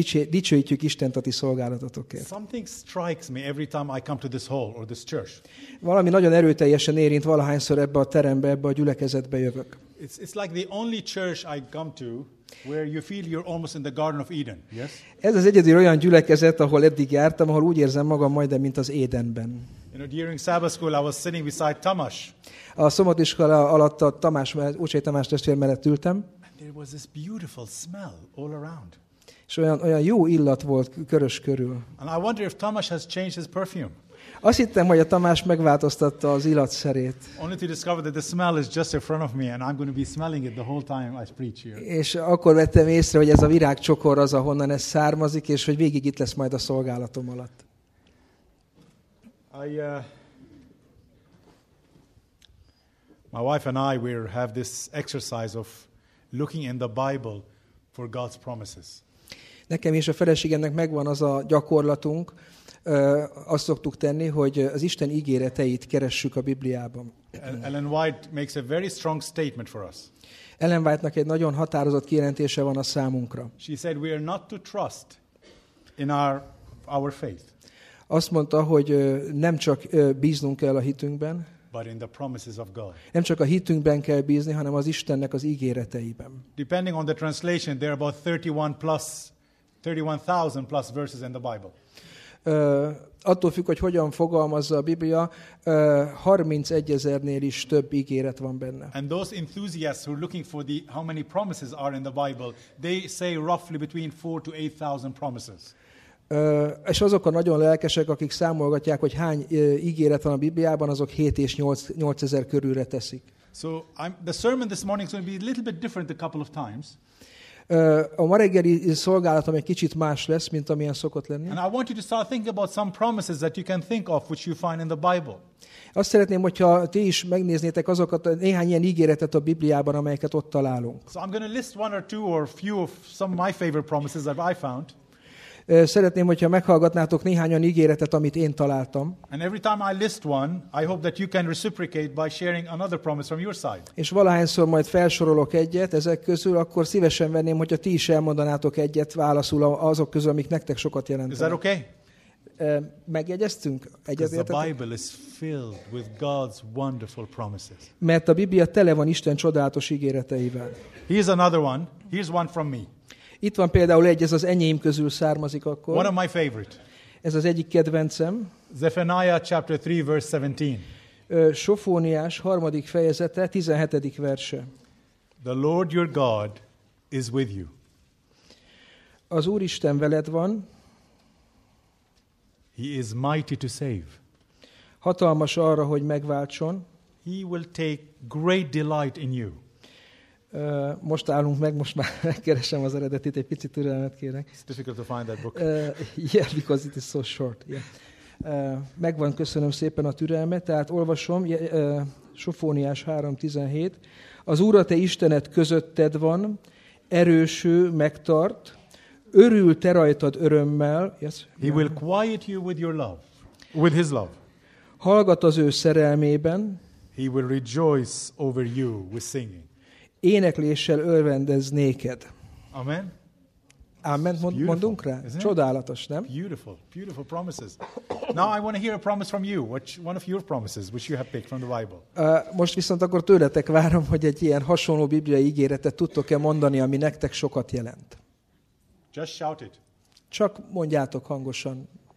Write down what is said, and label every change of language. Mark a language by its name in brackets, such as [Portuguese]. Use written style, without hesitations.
[Hungarian] Dicsőítjük Istent a ti szolgálatotokért. [English] Something strikes me every time I come to this hall or this church. [Hungarian] Valami nagyon erőteljesen érint valahányszor ebbe a terembe, ebbe a gyülekezetbe jövök. [English] It's like the only church I come to where you feel you're almost in the Garden of Eden. Yes. [Hungarian] Ez az egyedül olyan gyülekezet, ahol eddig jártam, ahol úgy érzem magam majdnem, mint az Édenben. [English] You know, during Sabbath school I was sitting beside Tamás. [Hungarian] A szombatiskola alatt a Tamás, Úcsai Tamás testvér mellett ültem. [English] There was this beautiful smell all around. [Hungarian] És olyan jó illat volt körös körül. [English] And I wonder if Tamás has changed his perfume. [Hungarian] Azt hittem, hogy a Tamás megváltoztatta az illatszerét. [English] Only to discover that the smell is just in front of me and I'm going to be smelling it the whole time I preach here. [Hungarian] És akkor vettem észre, hogy ez a virágcsokor az, ahonnan ez származik, és hogy végig itt lesz majd a szolgálatom alatt. [English] My wife and I we have this exercise of looking in the Bible for God's promises. [Hungarian] Nekem és a feleségemnek megvan az a gyakorlatunk, azt szoktuk tenni, hogy az Isten ígéreteit keressük a Bibliában. [English] Ellen White makes a very strong statement for us. [Hungarian] Ellen White-nak egy nagyon határozott kijelentése van a számunkra. [English] She said we are not to trust in our faith. [Hungarian] Azt mondta, hogy nem csak bíznunk kell a hitünkben. [English] But in the promises of God. [Hungarian] Nem csak a hitünkben kell bízni, hanem az Istennek az ígéreteiben. [English] Depending on the translation, there are about 31,000 plus verses in the Bible. [Hungarian] Attól függ, hogy hogyan fogalmazza a Biblia, 31,000-nél is több ígéret van benne. [English] And those enthusiasts who are looking for the how many promises are in the Bible, they say roughly between 4,000 to 8,000 promises. [Hungarian] És azok a nagyon lelkesek, akik számolgatják, hogy hány ígéret van a Bibliában, azok 7 és 8 ezer körülre teszik. [English] So the sermon this morning is going to be a little bit different a couple of times. [Hungarian] A ma reggeli szolgálatom egy kicsit más lesz, mint amilyen szokott lenni. [English] And I want you to start thinking about some promises that you can think of, which you find in the Bible. [Hungarian] Azt szeretném, hogyha ti is megnéznétek azokat néhány ilyen ígéretet a Bibliában, amelyeket ott találunk. [English] So I'm going to list one or two or few of some of my favorite promises that I found. [Hungarian] Szeretném, hogyha meghallgatnátok néhány olyan ígéretet, amit én találtam. [English] And every time I list one, I hope that you can reciprocate by sharing another promise from your side. [Hungarian] És valahányszor majd felsorolok egyet ezek közül, akkor szívesen venném, hogyha ti is elmondanátok egyet válaszul azok közül, amik nektek sokat jelentenek. [English] Is that okay? [Hungarian] Megjegyeztünk egyetértetek. [English] The Bible is filled with God's wonderful promises. [Hungarian] Mert a Biblia tele van Isten csodálatos ígéreteivel. [English] Here's another one. Here's one from me. [Hungarian] Itt van például egy, ez az enyém közül származik akkor. [English] One of my favorite. [Hungarian] Ez az egyik kedvencem. [English] Zephaniah chapter 3 verse 17. [Hungarian] Sofóniás harmadik fejezete 17. verse. [English] The Lord your God is with you. [Hungarian] Az Úristen veled van. [English] He is mighty to save. [Hungarian] Hatalmas arra, hogy megváltson. [English] He will take great delight in you. [Hungarian] Most állunk meg, most már keresem az eredetét, egy picit türelmet kérek. [English] It's difficult to find that book. Yeah, because it is so short. Yeah. [Hungarian] Megvan, köszönöm szépen a türelmet. Tehát olvasom, Sofóniás 3.17. Az Úr a te Istened közötted van, erőső, megtart, örül te rajtad örömmel. [English] Yes. He will quiet you with your love, with his love. [Hungarian] Hallgat az ő szerelmében. [English] He will rejoice over you with singing. [Hungarian] Énekléssel örvendez néked. Amen. Amen. Mondunk rá? Csodálatos, nem? [English] Beautiful, beautiful promises. Now I want to hear a promise from you, which one of your promises, which you have picked from the Bible. [Hungarian] Most viszont akkor tőletek várom, hogy egy ilyen hasonló bibliai ígéretet tudtok-e mondani, ami nektek sokat jelent. [English] Just shout it. [Hungarian] Csak mondjátok hangosan.